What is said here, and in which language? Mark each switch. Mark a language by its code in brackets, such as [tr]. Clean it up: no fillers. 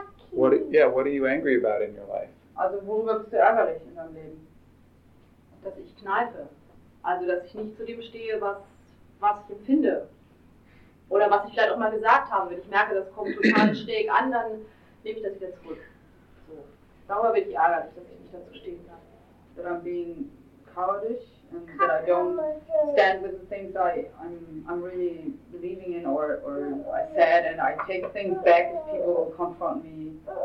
[en] What are you angry about in your life? [de] Also worüber bist du ärgerlich in deinem Leben? Dass ich kneife. Also dass ich nicht zu dem stehe, was ich empfinde. Oder was ich vielleicht auch mal gesagt habe, wenn ich merke, das kommt total schräg an, dann nehme ich das wieder zurück. So. Darüber bin ich ärgerlich, dass ich nicht dazu stehen kann. [en] That I'm being cowardish and that I don't stand with the things I'm really believing in or I said and I take things back if people will confront me.